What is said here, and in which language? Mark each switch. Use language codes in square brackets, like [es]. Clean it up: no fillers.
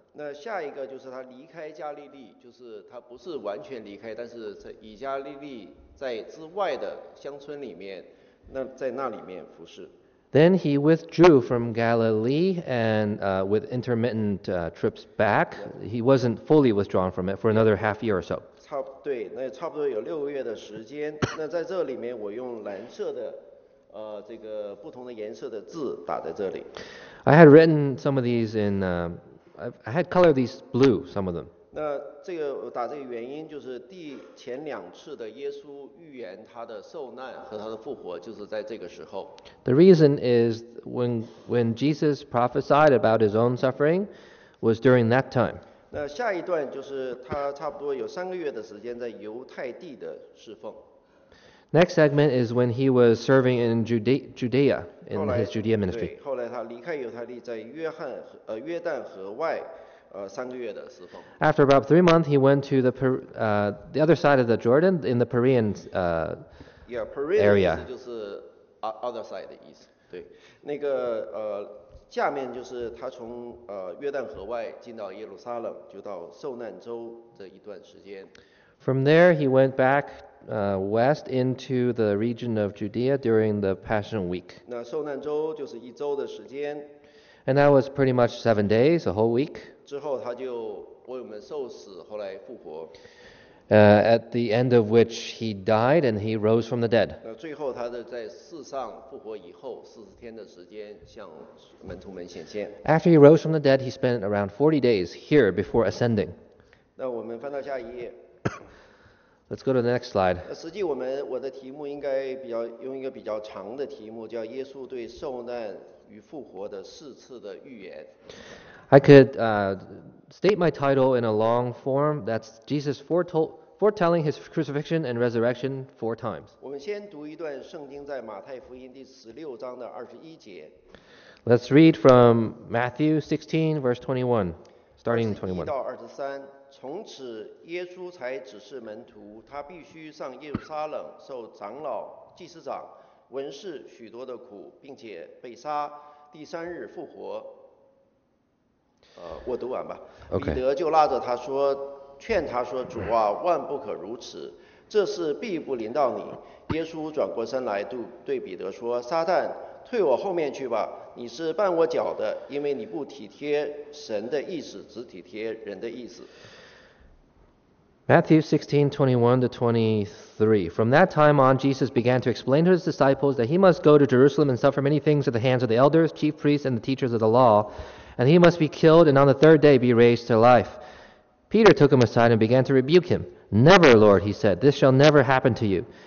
[zh] 那下一个就是他离开加利利，就是他不是完全离开，但是以加利利在之外的乡村里面，那在那里面服事。 [en] Then he withdrew from Galilee and with intermittent trips back. He wasn't fully withdrawn from it for another half year or so. [zh] 对，那差不多有六个月的时间。那在这里面，我用蓝色的这个不同的颜色的字打在这里。 [en] I had written some of these in, I had colored these blue, some of them. [zh] 那这个打这个原因就是第前两次的耶稣预言他的受难和他的复活就是在这个时候。 [en] The reason is when Jesus prophesied about his own suffering was during that time. [zh] 那下一段就是他差不多有三个月的时间在犹太地的侍奉。 [en] Next segment is when he was serving in Judea in his Judea ministry. [zh] 对，后来他离开犹太地，在约旦河外。三个月的侍奉。 [en] After about 3 months, he went to the other side of the Jordan in the Perean Perean area. [zh] 就是 [en] other side [zh] 的意思。对，那个下面就是他从约旦河外进到耶路撒冷，就到受难州这一段时间。 [en] From there, he went back west into the region of Judea during the Passion Week. [zh] 那受难州就是一周的时间。 [en] And that was pretty much 7 days, a whole week. [zh] 之后他就为我们受死，后来复活。 [en] At the end of which he died and he rose from the dead. [zh] 最后他在世上复活以后40天的时间向门徒们显现。 [en] After he rose from the dead, he spent around 40 days here before ascending. [zh] 那我们翻到下一页。 [en] Let's go to the next slide. [zh] 实际我的题目应该比较用一个比较长的题目，叫耶稣对受难与复活的四次的预言。 [en] I could state my title in a long form. That's Jesus foretelling his crucifixion and resurrection 4 times. [zh] 我们先读一段圣经，在马太福音第16章21节。 [en] Let's read from Matthew 16 verse 21, starting in 21. [zh] 21-23。从此，耶稣才指示门徒，他必须上耶路撒冷受长老、祭司长、文士许多的苦，并且被杀，第三日复活。我读完吧。 [en] Okay. [zh] 彼得就拉着他说，劝他说：“主啊，万不可如此，这事必不临到你。” 耶稣转过身来，对彼得说：“撒旦，退我后面去吧，你是绊我脚的，因为你不体贴神的意思，只体贴人的意思。” [en] Matthew 16:21-23. From that time on, Jesus began to explain to his disciples that he must go to Jerusalem and suffer many things at the hands of the elders, chief priests, and the teachers of the law, and he must be killed and on the third day be raised to life. Peter took him aside and began to rebuke him. Never, Lord, he said, this shall never happen to you.